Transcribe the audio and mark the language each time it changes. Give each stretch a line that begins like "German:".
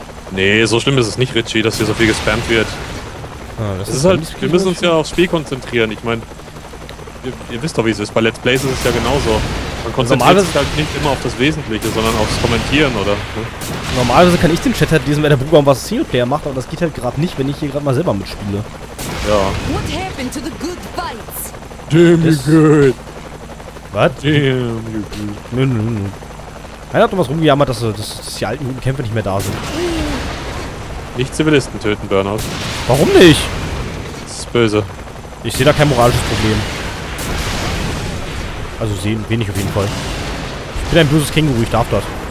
German: Nee, so schlimm ist es nicht, Richie, dass hier so viel gespammt wird. Wir müssen uns ja aufs Spiel konzentrieren. Ich meine. Ihr wisst doch, wie es ist. Bei Let's Plays ist es ja genauso. Man konzentriert sich halt nicht immer auf das Wesentliche, sondern aufs Kommentieren, oder? Ne? Normalerweise kann ich den Chat halt lesen, wenn der Bruder was Singleplayer macht, aber das geht halt gerade nicht, wenn ich hier gerade mal selber mitspiele. Ja.
English: What happened to the good fights? Damn you good! What? Damn you good.
German: Nö. Einer hat doch was rumgejammert, dass die alten guten Kämpfe nicht mehr da sind. Nicht Zivilisten töten, Burnout. Warum nicht? Das ist böse. Ich sehe da kein moralisches Problem. Also sehen wenig auf jeden Fall. Ich bin ein böses Känguru, ich darf das.